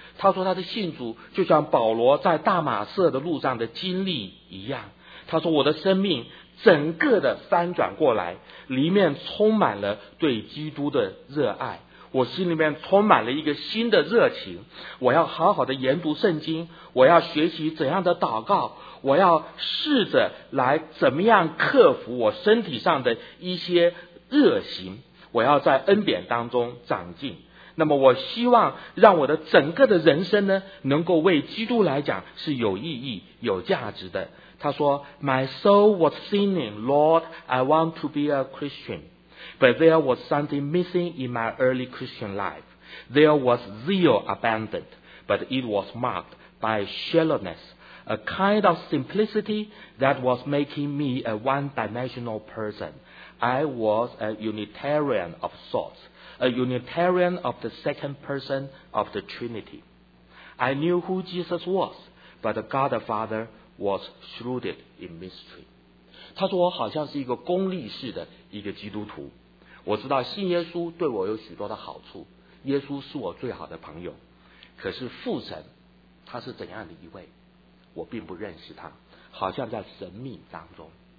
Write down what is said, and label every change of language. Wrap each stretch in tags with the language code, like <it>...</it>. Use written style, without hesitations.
<zh>他说他的信主就像保罗在大马色的路上的经历一样，他说我的生命整个的翻转过来，里面充满了对基督的热爱，我心里面充满了一个新的热情，我要好好的研读圣经，我要学习怎样的祷告，我要试着来怎么样克服我身体上的一些恶行，我要在恩典当中长进。那么我希望让我的整个的人生呢，能够为基督来讲是有意义、有价值的。他说</zh> <en>My soul was singing, Lord, I want to be a Christian. But there was something missing in my early Christian life. There was zeal abandoned, but it was marked by shallowness, a kind of simplicity that was making me a one-dimensional person. I was a Unitarian of sorts, a Unitarian of the second person of the Trinity. I knew who Jesus was, but God the Father was shrouded in mystery.</en> <zh>他说我好像是一个功利式的一个基督徒，我知道信耶稣对我有许多的好处，耶稣是我最好的朋友，可是父神他是怎样的一位，我并不认识他，好像在神秘当中。</zh>